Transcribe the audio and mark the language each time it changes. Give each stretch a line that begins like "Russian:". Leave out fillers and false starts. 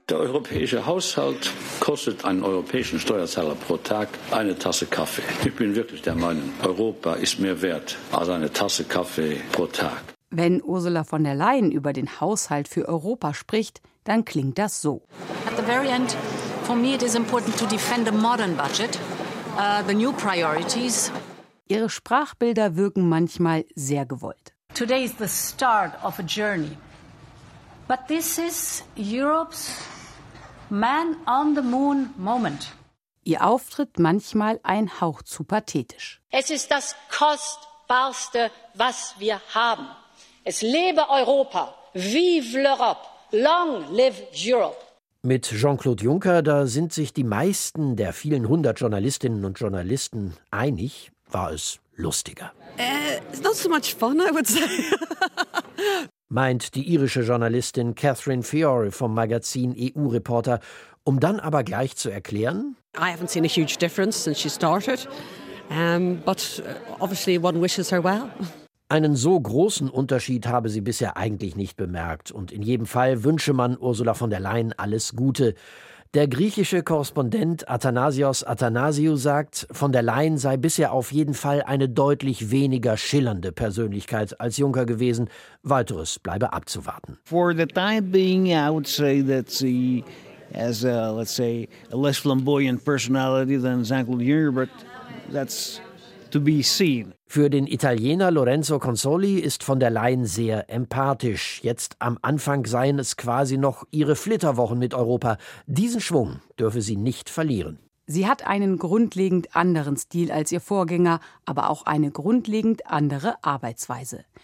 German: Der europäische Haushalt kostet einen europäischen Steuerzahler pro Tag eine Tasse Kaffee. Ich bin wirklich der Meinung, Europa ist mehr wert als eine Tasse Kaffee pro Tag. Wenn Ursula von der Leyen über den Haushalt für Europa spricht, dann klingt das so.
English: At the very end, for me it is important to defend a modern budget, the new priorities.
German: Ihre Sprachbilder wirken manchmal sehr gewollt.
English: Today is the start of a journey. But this is Europe's man on the moon moment.
German: Ihr Auftritt manchmal ein Hauch zu pathetisch. Es ist das Kostbarste, was wir haben. Es lebe Europa.
French: Vive l'Europe.
English: Long live Europe.
German: Mit Jean-Claude Juncker, da sind sich die meisten der vielen hundert Journalistinnen und Journalisten einig, war es lustiger.
English: It's not so much fun, I would say.
German: Meint die irische Journalistin Catherine Fiore vom Magazin EU-Reporter, um dann aber gleich zu erklären.
English: I haven't seen a huge difference since she started, but obviously one wishes her well.
German: Einen so großen Unterschied habe sie bisher eigentlich nicht bemerkt. Und in jedem Fall wünsche man Ursula von der Leyen alles Gute. Der griechische Korrespondent Athanasios Athanasiou sagt, von der Leyen sei bisher auf jeden Fall eine deutlich weniger schillernde Persönlichkeit als Juncker gewesen. Weiteres bleibe abzuwarten.
English: For the time being, I would say that she has a, let's say, a less flamboyant personality than Jean-Claude Juncker, but that's to be seen.
German: Für den Italiener Lorenzo Consoli ist von der Leyen sehr empathisch. Jetzt am Anfang seien es quasi noch ihre Flitterwochen mit Europa. Diesen Schwung dürfe sie nicht verlieren. Sie hat einen grundlegend anderen Stil als ihr Vorgänger, aber auch eine grundlegend andere Arbeitsweise.